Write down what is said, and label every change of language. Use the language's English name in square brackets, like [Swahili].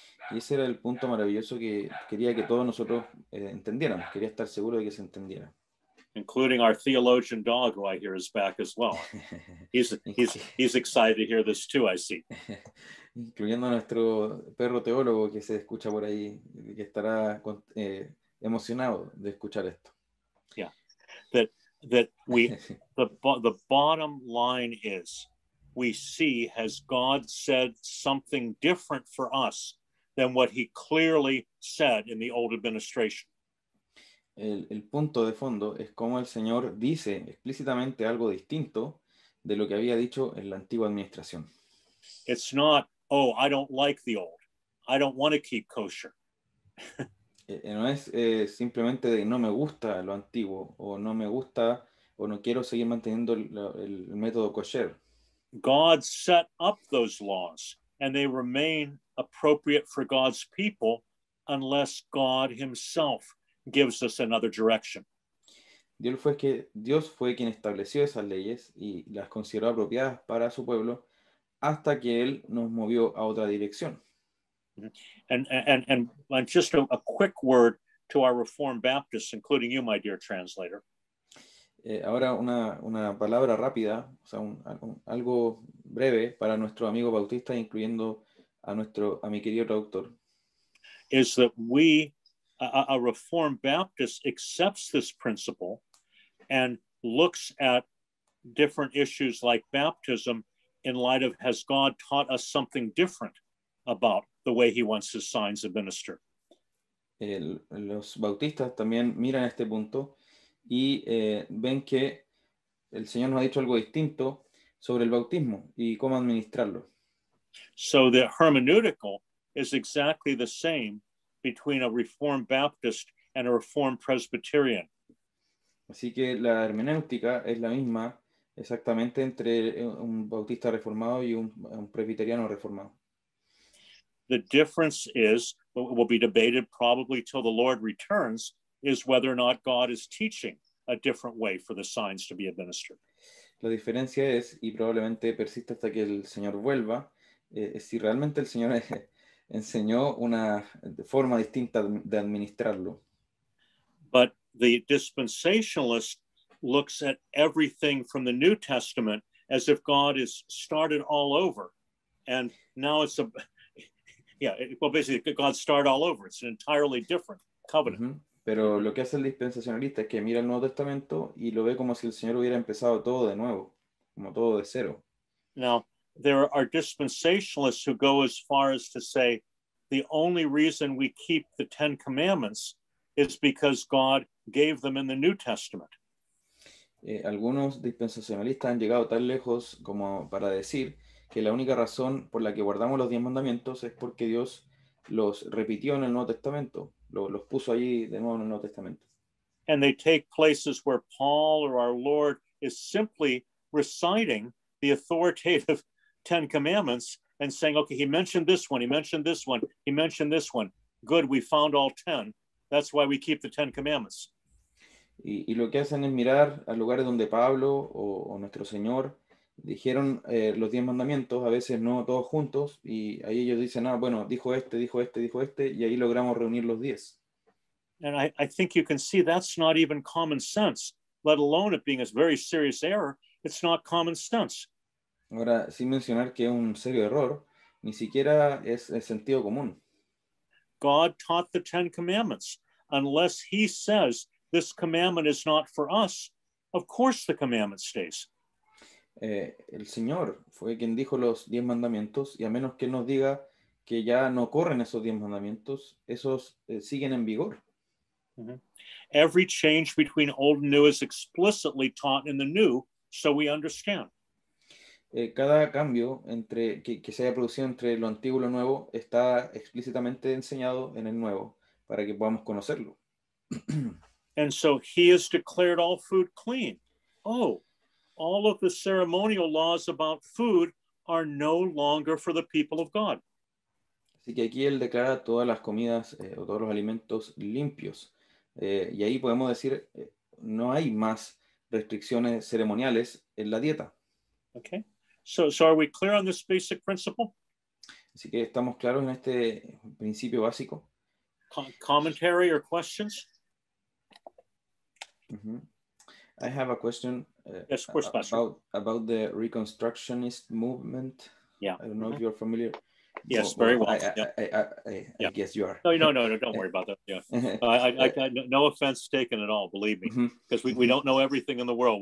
[Spanish] Y ese era el punto maravilloso que quería que todos nosotros entendiéramos. Quería estar seguro de que se entendiera. [English] Including our theologian dog, who I hear is back as well. He's excited to hear this too, I see. [Spanish] Incluyendo a nuestro perro teólogo que se escucha por ahí, que estará emocionado de escuchar esto. [English] Yeah. The bottom line is, we see, has God said something different for us than what he clearly said in the old administration? [Spanish] El punto de fondo es cómo el Señor dice explícitamente algo distinto de lo que había dicho en la antigua administración. [English] It's not, oh, I don't like the old. I don't want to keep kosher. [Spanish] No es simplemente de no me gusta lo antiguo, o no me gusta, o no quiero seguir manteniendo el método kosher. [English] God set up those laws, and they remain appropriate for God's people unless God himself gives us another direction. [Spanish] Dios fue quien estableció esas leyes y las consideró apropiadas para su pueblo hasta que él nos movió a otra dirección. [English] And just a quick word to our Reformed Baptists, including you, my dear translator. [Spanish] Ahora una palabra rápida, o sea, algo breve para nuestro amigo bautista, incluyendo a mi querido traductor. [English] Is that we, a Reformed Baptist, accepts this principle and looks at different issues like baptism in light of, has God taught us something different about the way he wants his signs administered? [Spanish] Los bautistas también miran este punto y ven que el Señor nos ha dicho algo distinto sobre el bautismo y cómo administrarlo. [English] So the hermeneutical is exactly the same between a Reformed Baptist and a Reformed Presbyterian. [Spanish] Así que la hermenéutica es la misma exactamente entre un bautista reformado y un presbiteriano reformado. [English] The difference is, what will be debated probably till the Lord returns, is whether or not God is teaching a different way for the signs to be administered. [Spanish] La diferencia es, y probablemente persiste hasta que el Señor vuelva, si realmente el Señor enseñó una forma distinta de administrarlo. [English] But the dispensationalist looks at everything from the New Testament as if God has started all over. And now it's basically God started all over. It's an entirely different covenant. Mm-hmm. [Spanish] Pero lo que hace el dispensacionalista es que mira el Nuevo Testamento y lo ve como si el Señor hubiera empezado todo de nuevo, como todo de cero. [English] Now, there are dispensationalists who go as far as to say the only reason we keep the Ten Commandments is because God gave them in the New Testament. [Spanish] Algunos dispensacionalistas han llegado tan lejos como para decir que la única razón por la que guardamos los 10 mandamientos es porque Dios los repitió en el Nuevo Testamento, los puso allí de nuevo en el Nuevo Testamento. [English] And they take places where Paul or our Lord is simply reciting the authoritative Ten Commandments and saying, okay, he mentioned this one, he mentioned this one, he mentioned this one. Good, we found all 10. That's why we keep the Ten Commandments. [Spanish] Y lo que hacen es mirar a lugares donde Pablo o nuestro Señor dijeron los 10 mandamientos, a veces no todos juntos, y ahí ellos dicen, ah, bueno, dijo este, y ahí logramos reunir los 10. [English] And I think you can see that's not even common sense, let alone it being a very serious error, it's not common sense. [Spanish] Ahora, sin mencionar que es un serio error, ni siquiera es el sentido común. [English] God taught the Ten Commandments. Unless he says this commandment is not for us, of course the commandment stays. [Spanish] El Señor fue quien dijo los 10 mandamientos, y a menos que nos diga que ya no corren esos 10 mandamientos, esos siguen en vigor. Mm-hmm. [English] Every change between old and new is explicitly taught in the new, so we understand. [Spanish] Cada cambio que se haya producido entre lo antiguo y lo nuevo está explícitamente enseñado en el nuevo para que podamos conocerlo. [English] And so he has declared all food clean. Oh, all of the ceremonial laws about food are no longer for the people of God. [Spanish] Así que aquí él declara todas las comidas o todos los alimentos limpios. Y ahí podemos decir, no hay más restricciones ceremoniales en la dieta. [English] Okay. So are we clear on this basic principle? [Spanish] Así que estamos claros en este principio básico. [English] Commentary or questions? I have a question about the Reconstructionist movement. Yeah. I don't know if you're familiar. Yes, well, very well. I guess you are. No, don't worry about that. Yeah. I no offense taken at all, believe me, because we don't know everything in the world.